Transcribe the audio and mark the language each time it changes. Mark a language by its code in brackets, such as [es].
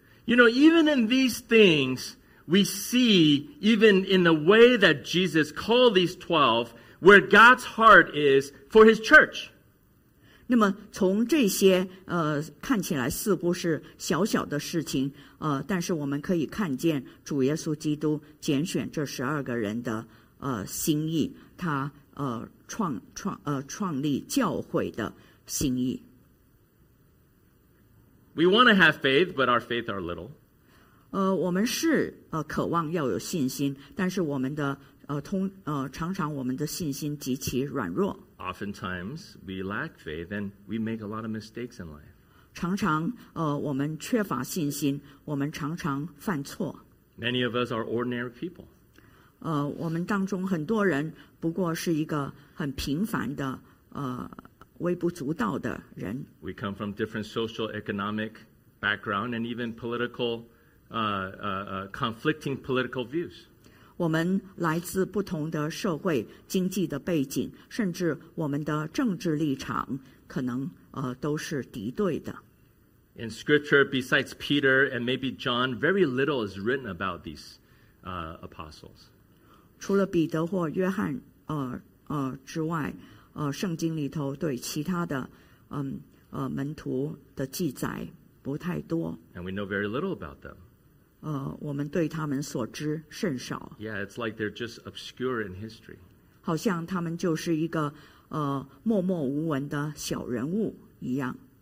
[en] You know, even in these things, we see even in the way that Jesus called these 12, where God's heart is for His church. [zh] 那么从这些看起来似乎是小小的事情但是我们可以看见主耶稣基督拣选这十二个人的心意，他创立教会的心意。 [en] We want to have faith, but our faith are little. [zh] 我们是渴望要有信心，但是我们的常常我们的信心极其软弱。 [en] Oftentimes we lack faith, and we make a lot of mistakes in life. [zh] 常常我们缺乏信心，我们常常犯错。 [en] Many of us are ordinary people. [zh] 我们当中很多人不过是一个很平凡的微不足道的人。 [en] We come from different social, economic background, and even political, conflicting political views. [zh] 我们来自不同的社会、经济的背景，甚至我们的政治立场可能都是敌对的。 [en] In Scripture, besides Peter and maybe John, very little is written about these apostles. [zh] 除了彼得或约翰之外。圣经里头对其他的门徒的记载不太多。 [en] And we know very little about them. [zh] 我们对他们所知甚少。 [en] Yeah, it's like they're just obscure in history. [zh] 好像他们就是一个默默无闻的小人物一样。